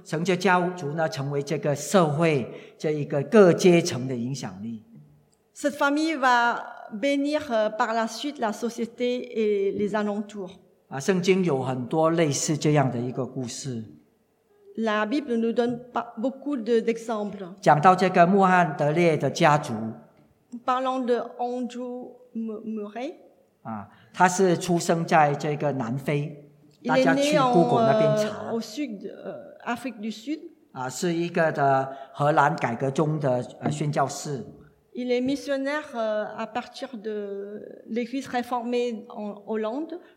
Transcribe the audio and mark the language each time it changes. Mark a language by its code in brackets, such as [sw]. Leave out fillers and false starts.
[zh] 成就家族呢，成为这个社会这一个各阶层的影响力。 [fr] Cette famille va bénir par la suite la société et les alentours. [zh] 圣经有很多类似这样的一个故事。 [fr] La Bible nous donne beaucoup d'exemples. [zh] 讲到这个穆罕德烈的家族。 [fr] Parlons de Andrew Murray. [zh] 他是出生在这个南非。 [fr] Il est né en, au sud, Afrique du Sud. [zh] 是一个的荷兰改革中的宣教士。 [fr] Il est missionnaire à partir de l'Église réformée en Hollande.